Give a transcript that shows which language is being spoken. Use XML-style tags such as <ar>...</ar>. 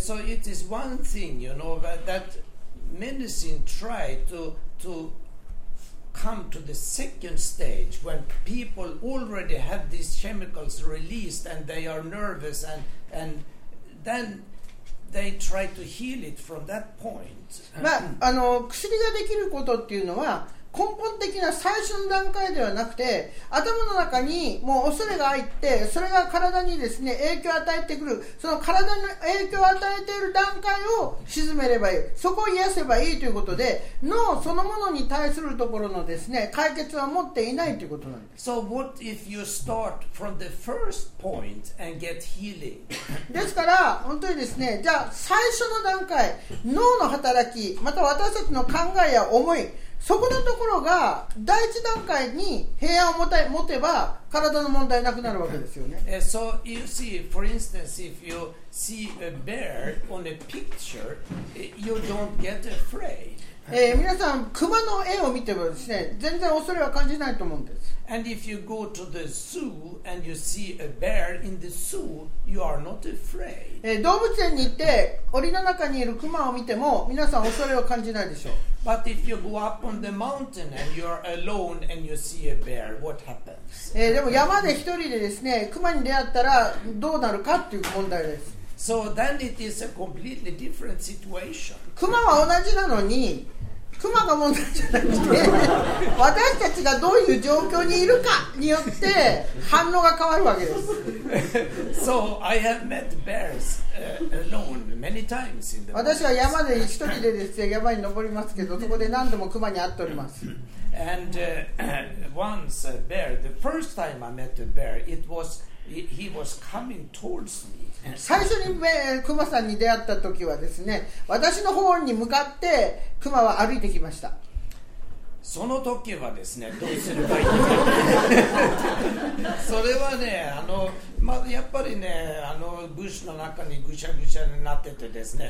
<en>So it is one thing, you know, that. Medicine try to come to the second stage when people already have these chemicals released and they are nervous and then they try to heal it from that point.</en> <ja>まあ、薬ができることっていうのは根本的な最初の段階ではなくて、頭の中にもう恐れが入って、それが体にですね影響を与えてくる、その体に影響を与えている段階を沈めればいい、そこを癒せばいいということで、脳そのものに対するところのですね解決は持っていないということなんです。</ja> <en>So what if you start from the first point and get healing?</en> <ja>ですから本当にですね、じゃあ最初の段階、脳の働き、また私たちの考えや思い、そこのところが第一段階に平安を持てば体の問題なくなるわけですよね。</ja> <en>So you see, for instance, if you see a bear on a picture, you don't get afraid.</en> <ja>皆さん、熊の絵を見てもですね、全然恐れは感じないと思うんです。</ja> <en>And if you go to the zoo and you see a bear in the zoo, you are not afraid.</en> <ja>動物園に行って檻の中にいる熊を見ても皆さん恐れを感じないでしょう。</ja> <en>But if you go up on the mountain and you are alone and you see a bear, what happens?</en> <ja>でも山で一人でですね、熊に出会ったらどうなるかっていう問題です。</ja> <en>So then it is a completely different situation.</en> <ja>熊は同じなのに、熊が問題じゃなくて、私たちがどういう状況にいるかによって反応が変わるわけです。</ja> <en>So I have met bears. Many times in the</en> <ja>私は山で一人でですね、山に登りますけど、そこで何度も熊に会っております。</ja> <en>And once a bear, the first time I met a bear, it was, he was coming towards me.</en> <ja>最初に熊さんに出会った時はですね、私の方に向かって熊は歩いてきました。その時はですね、どうすればいいか。それはね、まあ、やっぱりね、ブッシュの中にぐしゃぐしゃになっててですね、</ja>